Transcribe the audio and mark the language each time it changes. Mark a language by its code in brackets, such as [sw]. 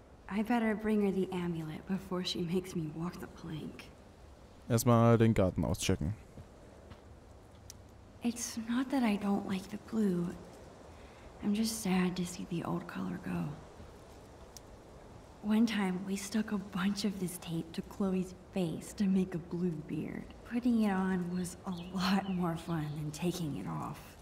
[en] I better bring her the amulet before she makes me walk the plank. [de] Erstmal den Garten auschecken. [en] It's not that I don't like the blue. I'm just sad to see the old color go. One time we stuck a bunch of this tape to Chloe's face to make a blue beard. Putting it on was a lot more fun than taking it off.